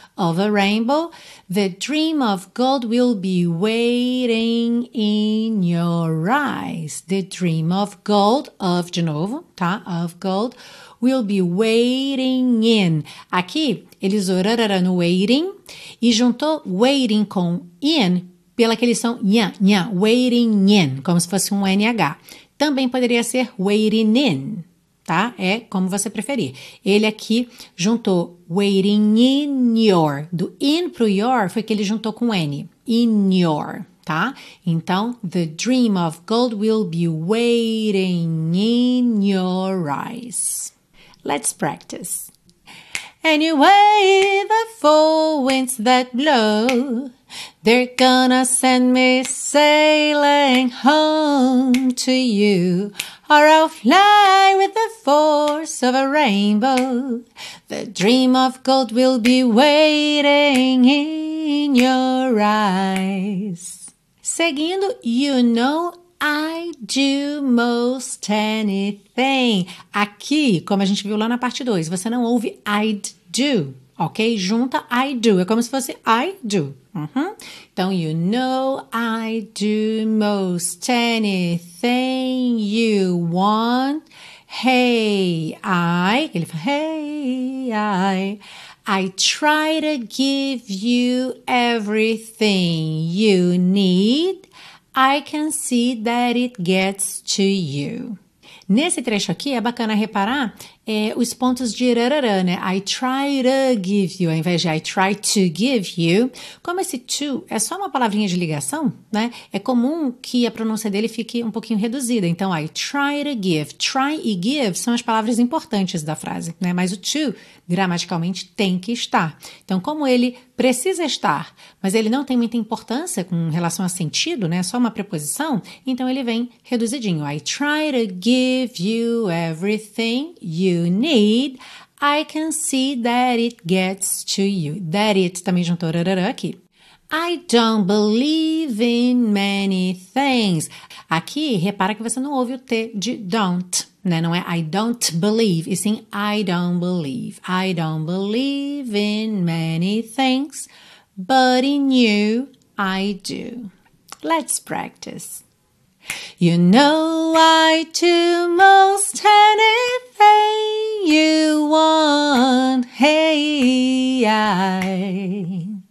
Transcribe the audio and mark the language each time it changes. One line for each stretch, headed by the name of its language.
English: Of a rainbow, the dream of gold will be waiting in your eyes. The dream of gold, of
Portuguese: de novo, tá?
English: Of gold, will be waiting in.
Portuguese: Aqui, ele usou rarara no waiting e juntou waiting com in pela aquele som nha, nha,
English: waiting in,
Portuguese: como se fosse um NH. Também poderia ser waiting in, tá? É como você preferir. Ele aqui juntou
English: waiting in your.
Portuguese: Do in pro your foi que ele juntou com N.
English: In your, tá? Então, the dream of gold will be waiting in your eyes. Let's practice. Anyway, the four winds that blow, they're gonna send me sailing home to you. Or I'll fly with the force of a rainbow. The dream of gold will be waiting in your eyes.
Portuguese: Seguindo,
English: you know I do most anything.
Portuguese: Aqui, como a gente viu lá na parte 2, você não ouve I'd do, ok? Junta I do, é como se fosse I do. Uhum.
English: Então, you know I do most anything you want. Hey, I.
Portuguese: Ele fala,
English: hey, I. I try to give you everything you need. I can see that it gets to you.
Portuguese: Nesse trecho aqui, é bacana reparar os pontos de rarara, né?
English: I try to give you,
Portuguese: ao invés de
English: I try to give you.
Portuguese: Como esse to é só uma palavrinha de ligação, né? É comum que a pronúncia dele fique um pouquinho reduzida. Então,
English: I try to give.
Portuguese: Try e give são as palavras importantes da frase, né? Mas o to, gramaticalmente, tem que estar. Então, como ele precisa estar, mas ele não tem muita importância com relação a sentido, né? Só uma preposição. Então, ele vem reduzidinho.
English: I try to give you everything you need, I can see that it gets to you.
Portuguese: That it também juntou rarara aqui.
English: I don't believe in many things.
Portuguese: Aqui, repara que você não ouve o T de don't, né? Não é
English: I don't believe,
Portuguese: e sim
English: I don't believe. I don't believe in many things, but in you, I do. Let's practice. You know I do most anything you want, hey, I.